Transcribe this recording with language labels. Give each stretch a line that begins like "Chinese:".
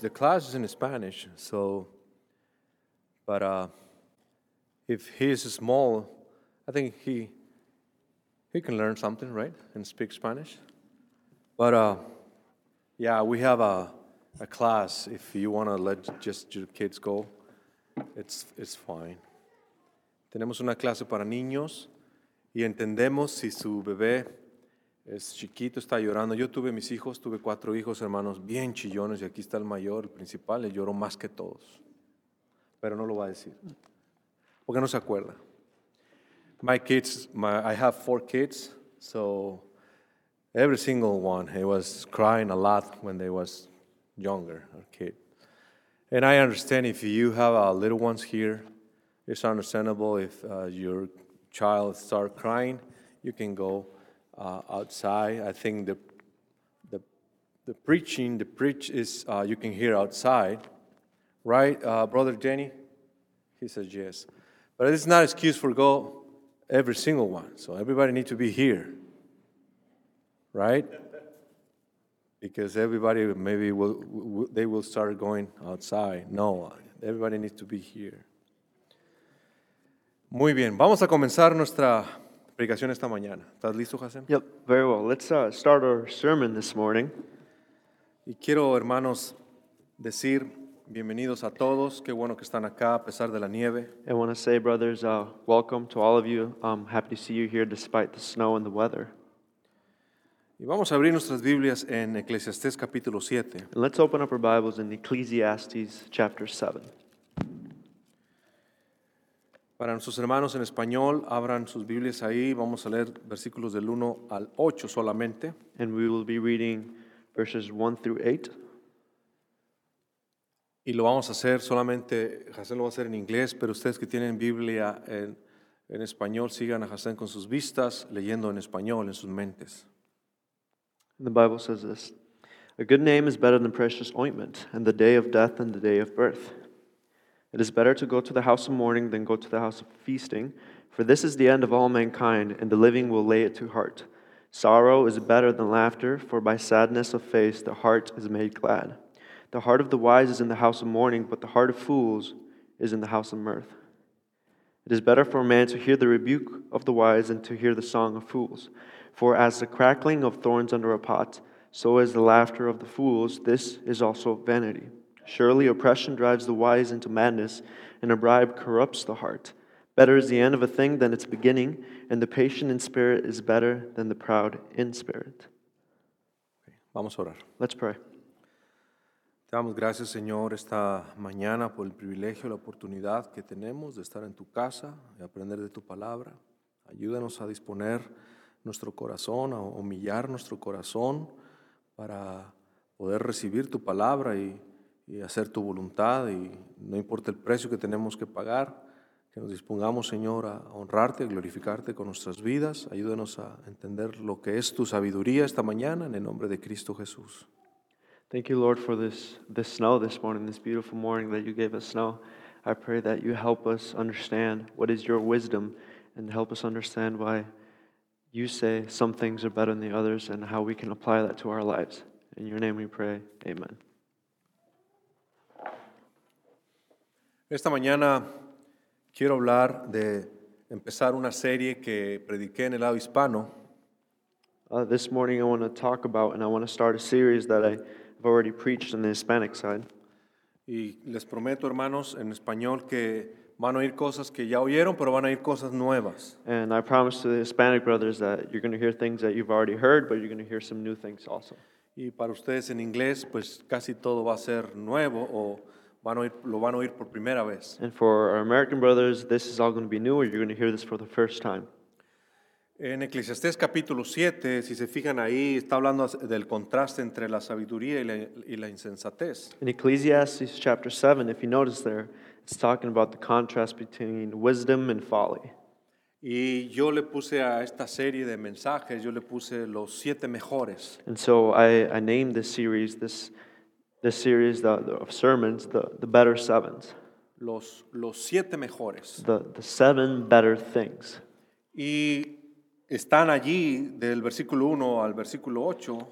English: The class is in Spanish. So, but if he's small, I think he can learn something, right, and speak Spanish. But yeah, we have a class. If you want to let just your kids go, it's fine.
Spanish: Tenemos una clase para niños y entendemos si su bebé es chiquito, está llorando. Yo tuve mis hijos, tuve cuatro hijos, hermanos, bien chillones, y aquí está el mayor, el principal, él lloró más que todos. Pero no lo va a decir, porque no se acuerda.
English: I have four kids, so every single one, he was crying a lot when they was younger, a kid. And I understand if you have little ones here, it's understandable if your child start crying, you can go outside. I think the preach is you can hear outside, right, Brother Danny? He says yes. But it's not an excuse for go every single one. So everybody need to be here, right? Because everybody maybe will start going outside. No, everybody needs to be here.
Spanish: Muy bien, vamos a comenzar nuestra predicación esta mañana. ¿Estás listo, Hasan?
English: Yep, very well. Let's start our sermon this morning.
Spanish: Y quiero, hermanos, decir bienvenidos a todos. Qué bueno que están acá a pesar de la nieve.
English: I want to say, brothers, welcome to all of you. I'm happy to see you here despite the snow and the weather.
Spanish: Y vamos a abrir nuestras Biblias en Eclesiastés capítulo 7.
English: And let's open up our Bibles in Ecclesiastes chapter 7.
Spanish: Para nuestros hermanos en español, abran sus Biblias ahí. Vamos a leer versículos del 1 al 8 solamente.
English: And we will be reading verses 1 through 8.
Spanish: Y lo vamos a hacer solamente, Hasan lo va a hacer en inglés, pero ustedes que tienen Biblia en español, sigan a Hasan con sus vistas, leyendo en español, en sus mentes.
English: The Bible says this: a good name is better than precious ointment, and the day of death than the day of birth. It is better to go to the house of mourning than go to the house of feasting, for this is the end of all mankind, and the living will lay it to heart. Sorrow is better than laughter, for by sadness of face the heart is made glad. The heart of the wise is in the house of mourning, but the heart of fools is in the house of mirth. It is better for a man to hear the rebuke of the wise than to hear the song of fools. For as the crackling of thorns under a pot, so is the laughter of the fools. This is also vanity. Surely oppression drives the wise into madness, and a bribe corrupts the heart. Better is the end of a thing than its beginning, and the patient in spirit is better than the proud in spirit.
Spanish: Okay, vamos a orar.
English: Let's pray.
Spanish: Te damos gracias, Señor, esta mañana por el privilegio, la oportunidad que tenemos de estar en tu casa y aprender de tu palabra. Ayúdanos a disponer nuestro corazón, a humillar nuestro corazón para poder recibir tu palabra y hacer tu voluntad. Y no importa el precio que tenemos que pagar, que nos dispongamos, Señor, a honrarte, a glorificarte con nuestras vidas. Ayúdanos a entender lo que es tu sabiduría esta mañana en el nombre de Cristo Jesús.
English: Thank you, Lord, for this snow this morning, this beautiful morning that you gave us snow. I pray that you help us understand what is your wisdom and help us understand why you say some things are better than the others and how we can apply that to our lives. In your name we pray, amen.
Spanish: Esta mañana quiero hablar de empezar una serie que prediqué en el lado hispano.
English: This morning I want to talk about and I want to start a series that I've already preached on the Hispanic side.
Spanish: Y les prometo, hermanos, en español que van a oír cosas que ya oyeron, pero van a oír cosas nuevas.
English: And I promise to the Hispanic brothers that you're going to hear things that you've already heard, but you're going to hear some new things also.
Spanish: Y para ustedes en inglés, pues casi todo va a ser nuevo o lo van a oír por primera vez.
English: And for our American brothers, this is all going to be new, or you're going to hear this for the first time.
Spanish: En Eclesiastés capítulo 7, si se fijan ahí, está hablando del contraste entre la sabiduría y la insensatez.
English: In Ecclesiastes chapter 7, if you notice there, it's talking about the contrast between wisdom and folly.
Spanish: Y yo le puse a esta serie de mensajes, yo le puse los siete mejores.
English: And so I named this series, this series of sermons, the better sevens.
Spanish: Los siete mejores.
English: The seven better things.
Spanish: Y están allí del versículo 1 al versículo 8.